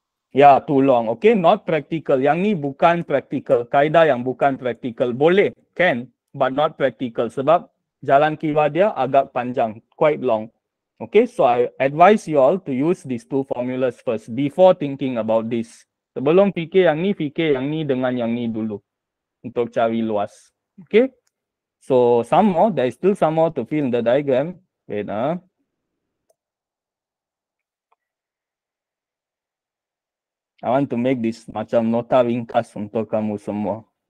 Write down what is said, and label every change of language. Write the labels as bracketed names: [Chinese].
[English] Ya, yeah, too long. Okay, not practical. [Malay] Yang ni bukan practical. Kaedah yang bukan practical. [English] Boleh, can, but not practical. [Malay] Sebab jalan kira dia agak panjang, [English] quite long. Okay, so I advise you all to use these two formulas first before thinking about this. [Malay] Sebelum fikir yang ni dengan yang ni dulu untuk cari luas. [English] Okay, so some more, there is still some more to fill in the diagram. Wait, I want to make this [Malay] macam nota ringkas untuk kamu semua.